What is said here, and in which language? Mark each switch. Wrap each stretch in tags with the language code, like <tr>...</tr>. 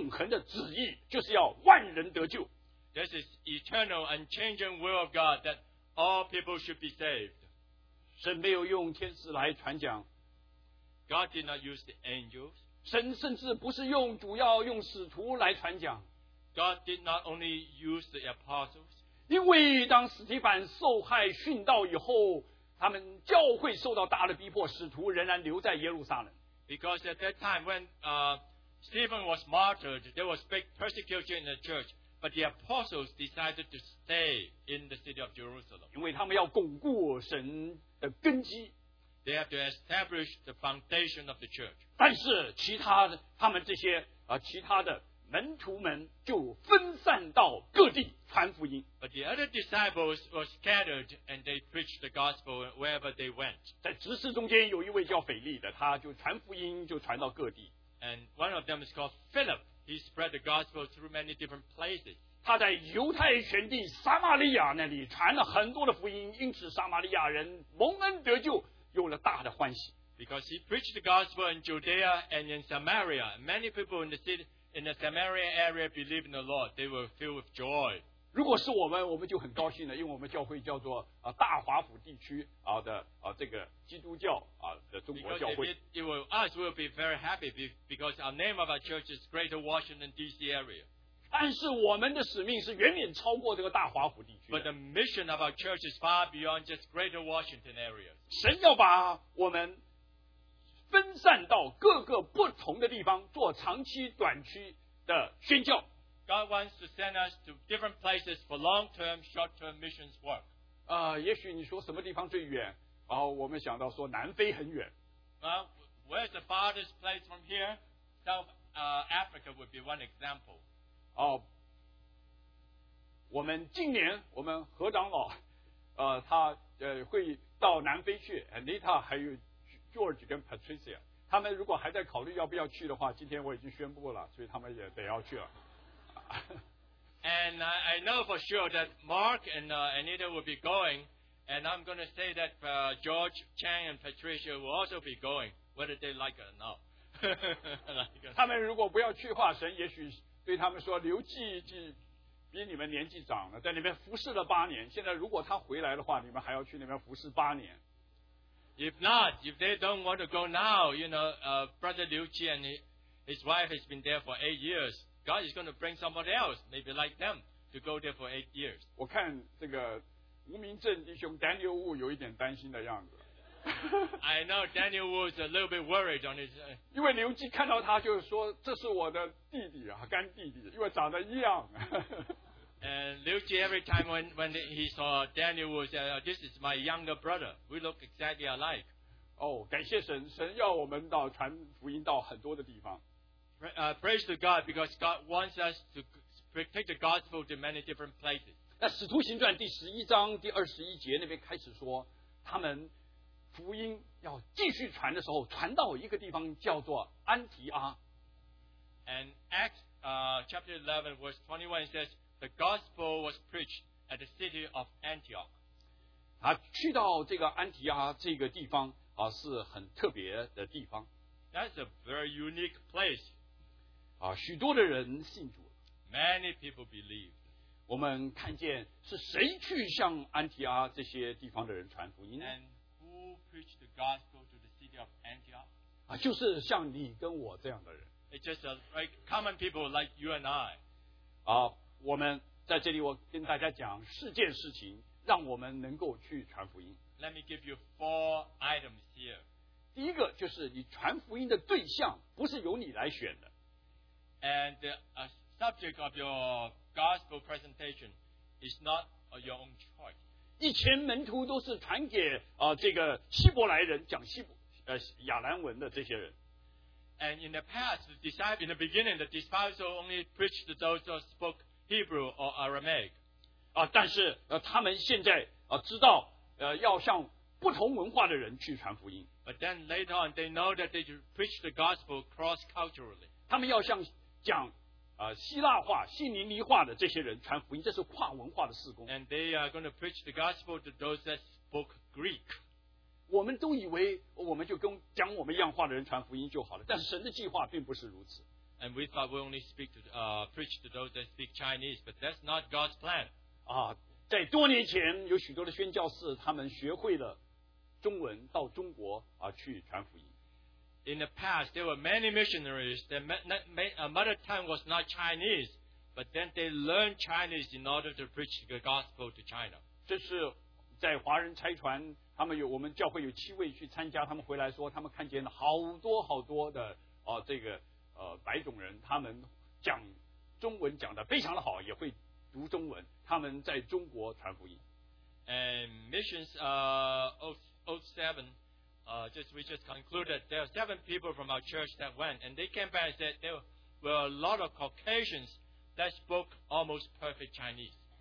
<zh>这是神永远不变的一个永恒的旨意，就是要万人得救。</zh> <en>This is eternal, unchanging will of God that all people should be saved.</en> <zh>神没有用天使来传讲。</zh> <en>God did not use the angels.</en> <zh>神甚至不是用主要用使徒来传讲。</zh> <en>God did not only use the apostles.</en> <zh>因为当史提凡受害殉道以后，他们教会受到大的逼迫，使徒仍然留在耶路撒冷。</zh> <en>Because at that time when Stephen was martyred, there was big persecution in the church, but the apostles decided to stay in the city of Jerusalem.</en> <zh>因为他们要巩固神的根基。</zh> <en>They have to establish the foundation of the church.</en> <zh>但是其他的他们这些其他的门徒们就分散到各地传福音。</zh> <en>But the other disciples were scattered and they preached the gospel wherever they went.</en> <zh>在执事中间有一位叫腓力的，他就传福音就传到各地。</zh> <en>And one of them is called Philip. He spread the gospel through many different places.</en> <zh>他在犹太全地撒玛利亚那里传了很多的福音，因此撒玛利亚人蒙恩得救，有了大的欢喜。</zh> <en>Because he preached the gospel in Judea and in Samaria, many people in the city. In the Samaria area, believe in the Lord, they were filled with joy.</en> <zh>如果是我们，我们就很高兴了，因为我们教会叫做大华府地区的这个基督教的中国教会。</zh> <en>Us will be very happy because our name of our church is Greater Washington D.C. area.</en> <zh>但是我们的使命是远远超过这个大华府地区。</zh> <en>But the mission of our church is far beyond just Greater Washington area.</en> <zh>神要把我们分散到各个不同的地方做长期短期的宣教。</zh> <en>God wants to send us to different places for long-term, short-term missions work.</en> <zh>也许你说什么地方最远，我们想到说南非很远。</zh> <en>Where's the farthest place from here? South Africa would be one example.</en> <zh>我们今年我们何长老他会到南非去 ，Anita 还有。 George 跟 Patricia 他们如果还在考虑要不要去的话，今天我已经宣布了，所以他们也得要去了。</zh> <en>And I know for sure that Mark and Anita will be going, and I'm going to say that George Chang and Patricia will also be going, whether they like it or not.</en> <zh>他们如果不要去的话，神也许对他们说，刘季季比你们年纪长了，在那边服侍了八年，现在如果他回来的话，你们还要去那边服侍八年。</zh> <en>If not, if they don't want to go now, you know, Brother Liu Qi and his wife has been there for 8 years. God is going to bring somebody else, maybe like them, to go there for 8 years.</en> <zh>我看这个吴明正弟兄 Daniel Wu 有一点担心的样子。</zh> <en>I know Daniel Wu is a little bit worried on his.</en> <zh>因为刘季看到他就是说，这是我的弟弟啊，干弟弟，因为长得一样。</zh> <en>And Liu Qi, every time when he saw Daniel, he said, oh, this is my younger brother. We look exactly alike.</en> <zh>Oh, 感谢神，神要我们到传福音到很多的地方。</zh> <en>Praise to God, because God wants us to take the gospel to many different places.</en> <zh>那使徒行传第十一章第二十一节那边开始说，他们福音要继续传的时候，传到一个地方叫做安提阿。</zh> <en>And Acts chapter 11 verse 21 says,The gospel was preached at the city of Antioch.</en> <zh>他去到这个安提阿这个地方是很特别的地方。</zh> <en>That's a very unique place.</en> <zh>许多的人信主。</zh> <en>Many people believe.</en> <zh>我们看见是谁去向安提阿这些地方的人传福音呢？</zh> <en>And who preached the gospel to the city of Antioch?</en> <zh>就是像你跟我这样的人。</zh> <en>It's just like common people like you and I.</en> <zh>我们在这里，我跟大家讲四件事情，让我们能够去传福音。</zh> <en>Let me give you four items here.</en> <zh>第一个就是你传福音的对象不是由你来选的。</zh> <en>And the subject of your gospel presentation is not your own choice.</en> <zh>以前门徒都是传给这个希伯来人讲亚兰文的这些人。</zh> <en>And in the past, the disciples, in the beginning, the disciples only preached to those who spoke. Hebrew or Aramaic.</en> <zh>但是他们现在知道要向不同文化的人去传福音。</zh> <en>But then later on, they know that they should preach the gospel cross-culturally.</en> <zh>他们要向讲希腊话、希尼尼话的这些人传福音，这是跨文化的事工。</zh> <en>And they are going to preach the gospel to those that spoke Greek.</en> <zh>我们都以为我们就跟讲我们样话的人传福音就好了，但是神的计划并不是如此。</zh> <en>And we thought we only speak to, preach to those that speak Chinese, but that's not God's plan.</en> <zh>在多年前，有许多的宣教士，他们学会了中文，到中国去传福音。</zh> <en>In the past, there were many missionaries that mother tongue was not Chinese, But then they learn Chinese in order to preach the gospel to China.</en> <zh>这是在华人拆船，他们有我们教会有七位去参加，他们回来说他们看见好多好多的白种人，他们讲中文讲的非常的好，也会读中文，他们在中国传福音。</zh> <en>And missions of seven, we just concluded there are seven people from our church that went, and they came back and said there were a lot of Caucasians that spoke almost perfect Chinese.</en>